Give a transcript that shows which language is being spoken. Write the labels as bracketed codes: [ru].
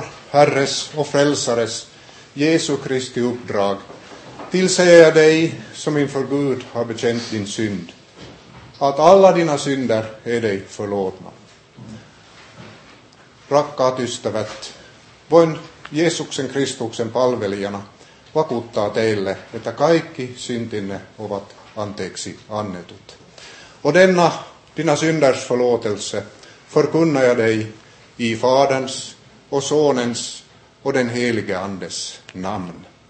[sv] Herres och frälsares Jesu Kristi uppdrag tillsäger jag dig som inför Gud har bekänt din synd att alla dina synder är dig förlåtna. [fi] Rakkaat ystävät, voin Jeesuksen Kristuksen palvelijana vakuuttaa teille, että kaikki syntinne ovat anteeksi annetut. [sv] Och denna dina synders förlåtelse förkunnar jag dig i Faderns och Sonens och den helige Andes namn.